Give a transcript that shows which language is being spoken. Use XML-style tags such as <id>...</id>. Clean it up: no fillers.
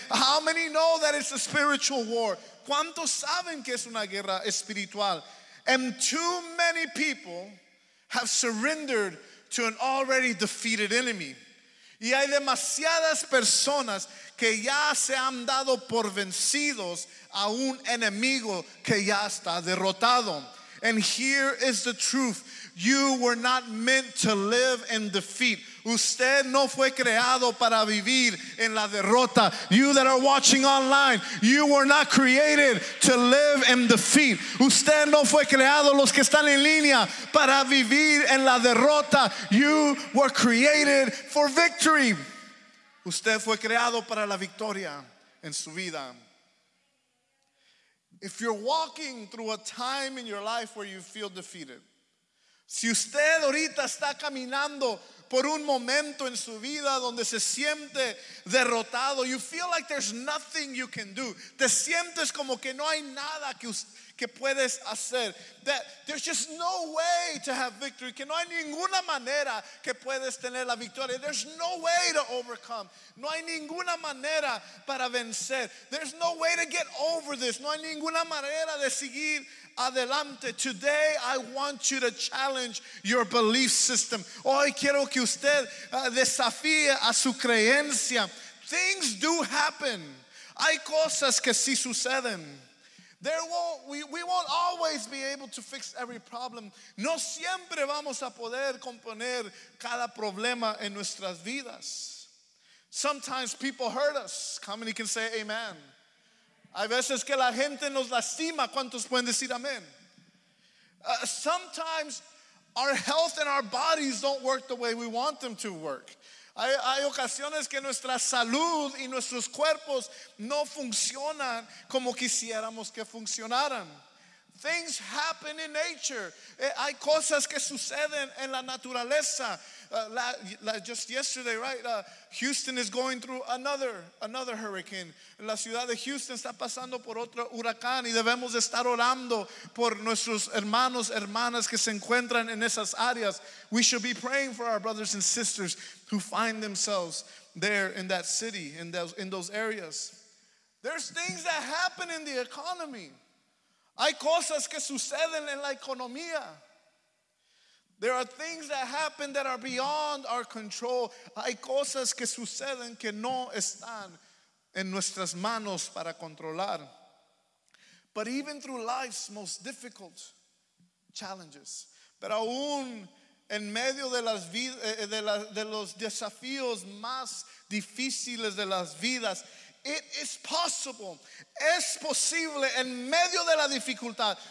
<en>How many know that it's a spiritual war?</en> <es>¿Cuántos saben que es una guerra espiritual?</es> <en>And too many people have surrendered to an already defeated enemy.</en> <es>Y hay demasiadas personas que ya se han dado por vencidos a un enemigo que ya está derrotado.</es> <en>And here is the truth. You were not meant to live in defeat.</en> <es>Usted no fue creado para vivir en la derrota.</es> <en>You that are watching online, you were not created to live in defeat.</en> <es>Usted no fue creado, los que están en línea, para vivir en la derrota.</es> <en>You were created for victory.</en> <es>Usted fue creado para la victoria en su vida.</es> <en>If you're walking through a time in your life where you feel defeated,</en> <es>si usted ahorita está caminando por un momento en su vida donde se siente derrotado,</es> <en>you feel like there's nothing you can do.</en> <es>Te sientes como que no hay nada que puedes hacer.</es> <en>That there's just no way to have victory.</en> <es>Que no hay ninguna manera que puedes tener la victoria.</es> <en>There's no way to overcome.</en> <es>No hay ninguna manera para vencer.</es> <en>There's no way to get over this.</en> <es>No hay ninguna manera de seguir adelante.</es> <en>Today, I want you to challenge your belief system.</en> <es>Hoy quiero que usted desafíe a su creencia.</es> <en>Things do happen.</en> <es>Hay cosas que sí suceden.</es> <en>We won't always be able to fix every problem.</en> <es>No siempre vamos a poder componer cada problema en nuestras vidas.</es> <en>Sometimes people hurt us. How many can say amen?</en> <es>Hay veces que la gente nos lastima. ¿Cuántos pueden decir amén?</es> <en>Sometimes our health and our bodies don't work the way we want them to work.</en> <es>Hay ocasiones que nuestra salud y nuestros cuerpos no funcionan como quisiéramos que funcionaran.</es> <en>Things happen in nature.</en> <es>Hay cosas que suceden en la naturaleza.</es> <en>Just yesterday, right? Houston is going through another hurricane.</en> <es>La ciudad de Houston está pasando por otro huracán y debemos estar orando por nuestros hermanos, hermanas que se encuentran en esas áreas.</es> <en>We should be praying for our brothers and sisters who find themselves there in that city, in those areas. There's things that happen in the economy.</en> <es>Hay cosas que suceden en la economía.</es> <en>There are things that happen that are beyond our control.</en> <es>Hay cosas que suceden que no están en nuestras manos para controlar.</es> <en>But even through life's most difficult challenges,</en> <es>pero aún en medio de los desafíos más difíciles de las vidas,</es> <en>it is possible,</en> <es>es posible, en medio de la dificultad.</es>